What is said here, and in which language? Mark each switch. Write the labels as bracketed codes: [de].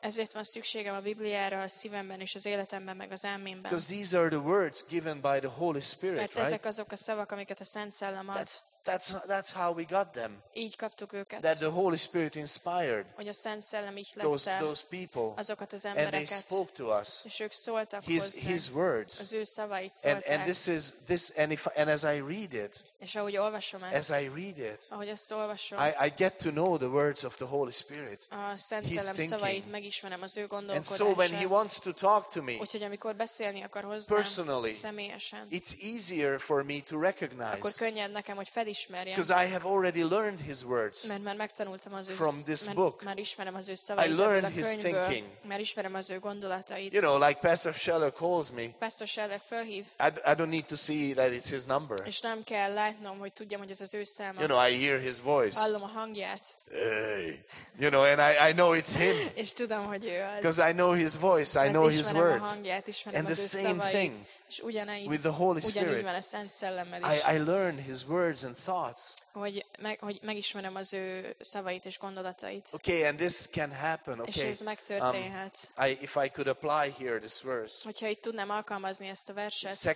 [hu] Ezért van szükségem a Bibliára. A szívemben és az életemben meg az elmémben. [en] Because these are the words given by the Holy Spirit, right? [hu] Ezek azok a szavak, amiket a Szent Szellem ad. [en] That's how we got them. [hu] Így kaptuk őket. [en] That the Holy Spirit inspired. [hu] Hogy a Szent Szellem így lett [en] those people. [hu] Azokat az embereket. [en] And they spoke to us. [hu] És ők szóltak [en] his words. [hu] Az ő szavait szólták. [en] And this is this and if and as I read it. [hu] És ahogy olvasom ezt. [en] As I read it. [hu] Ahogy ezt olvasom. [en] I get to know the words of the Holy Spirit. [hu] A Szent Szellem szavait megismerem, az ő gondolkodását. [en] And so when he wants to talk to me. [hu] Úgyhogy amikor beszélni akar hozzám. [en] Personally. [hu] Személyesen. [en] It's easier for me to recognize. [hu] Akkor könnyebb nekem, hogy fel [en] because I have already learned his words [hu] mert megtanultam az ő, [en] from this book. [hu] Mert ismerem az ő [en] I learned his thinking. [hu] Mert ismerem az ő gondolatait. [en] You know, like Pastor Scheller calls me. [hu] Pastor Scheller felhív. [en] I don't need to see that it's his number. [hu] És nem kell látnom, hogy tudjam, hogy ez az ő száma. [en] You know, I hear his voice. [hu] Hallom a hangját. [en] Hey. You know, and I know it's him. [hu] És tudom, hogy ő az. [en] Because I know his voice, I know his words. And the same thing. [hu] És ugyanígy, [en] with the Holy Spirit, [hu] ugyanígy van a Szent Szellemmel is. [en] I learn his words and thoughts. [hu] Hogy megismerem az ő szavait és gondolatait. [en] Okay, and this can happen. Okay. [hu] És ez megtörténhet. [en] If I could apply here this verse. [hu] Hogyha itt tudnám alkalmazni ezt a verset.